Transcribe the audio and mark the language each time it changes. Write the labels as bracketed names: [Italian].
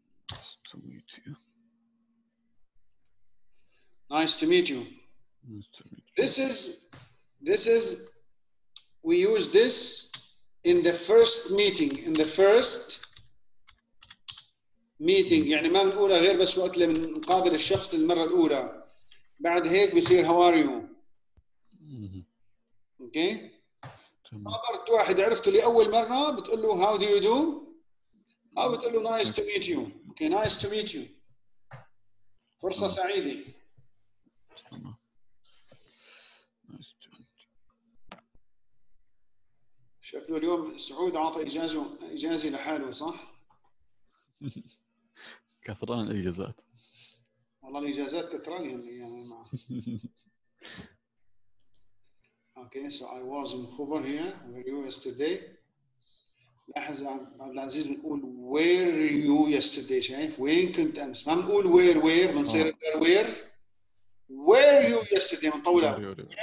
[English] Nice to meet you. Nice to meet you. Nice to meet you. This is, we use this in the first meeting, in the first meeting. [Arabic] يعني ما بنقولها غير بس وقت اللي بنقابل الشخص للمرة الأولى. بعد هيك بيصير [English] how are you? Okay. [Arabic] ما قابلت واحد عرفته لأول مرة بتقول له [English] how do you do? [Arabic] أو بتقول له [English] nice to meet you. Okay, nice to meet you. [Arabic] فرصة سعيدة. شكله اليوم سعود عطى إجازة لحاله صح؟ كثران الإجازات. والله الإجازات كثران يعني معه. [English] Okay, so I was in Khobar here, where you yesterday. [Arabic] لاحظ عبد العزيز بنقول [English] where you yesterday [Arabic] شايف؟ وين كنت أمس؟ ما بنقول where بنصير [English] where you yesterday [Arabic] منطولة.